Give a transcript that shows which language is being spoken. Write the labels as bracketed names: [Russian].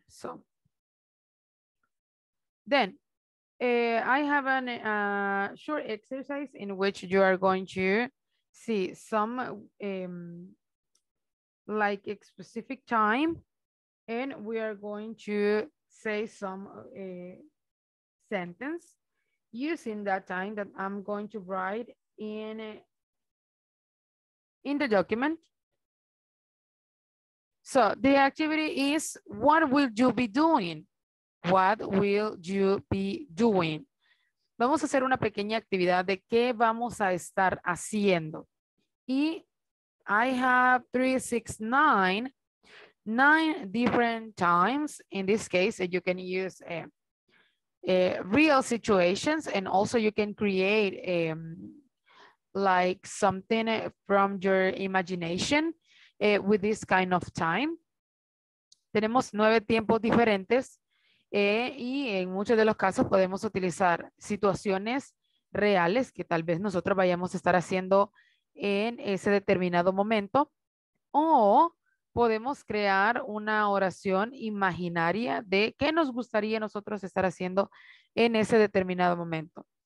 [English] So then I have a short exercise in which you are going to see some like a specific time, and we are going to say some sentence using that time that I'm going to write in the document. So the activity is, what will you be doing? What will you be doing? [Spanish] Vamos a hacer una pequeña actividad de qué vamos a estar haciendo. Y [English] I have 9 different times. In this case, you can use real situations, and also you can create like something from your imagination. With this kind of time. [Spanish] Tenemos 9 tiempos diferentes y en muchos de los casos podemos utilizar situaciones reales que tal vez nosotros vayamos a estar haciendo en ese determinado momento, o podemos crear una oración imaginaria de qué nos gustaría nosotros estar haciendo en ese determinado momento.